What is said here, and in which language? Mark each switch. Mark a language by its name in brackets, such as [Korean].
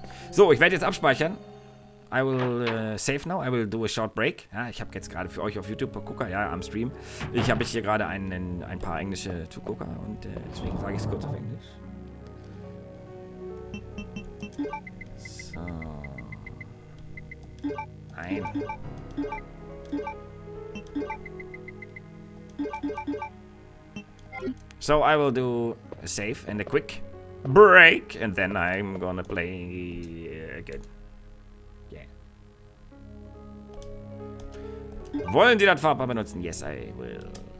[German] So, ich werde jetzt abspeichern. [English] I will save now. I will do a short break. [German] Ja, ich habe jetzt gerade für euch auf YouTube Gucker, ja, am Stream. Ich habe hier gerade ein paar englische Zugucker und deswegen sage ich es kurz auf Englisch. So. Nein. [English] So, I will do a save and a quick break and then I'm gonna play again. Yeah. [German] Wollen Sie das Farbpaar benutzen? [English] Yes, I will.